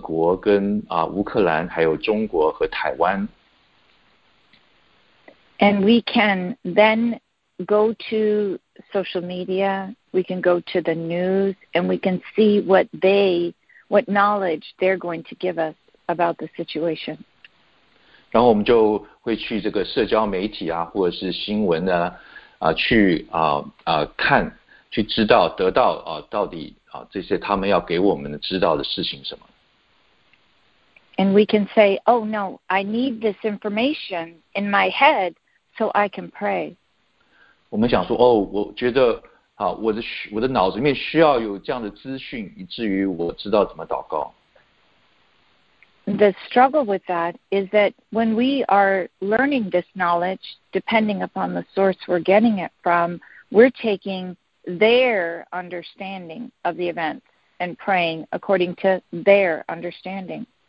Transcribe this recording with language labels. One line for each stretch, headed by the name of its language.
Chinese: 我们看着现在世上的发生的这些事件，比如说俄国跟乌克兰，还有中国和台湾。
English: And we can then go to social media, we can go to the news, and we can see what knowledge they're going to give us about the situation.
Chinese: 然后我们就会去这个社交媒体啊，或者是新闻呢，去看，去知道得到到底这些他们要给我们知道的事情什么。
English: And we can say, oh no, I need this information in my head so I can pray.
Chinese: 我们想说，哦，我觉得，好，我的脑子里面需要有这样的资讯，以至于我知道怎么祷告。
English: The struggle with that is that when we are learning this knowledge, depending upon the source we're getting it from, we're taking their understanding of the events and praying according to their understanding.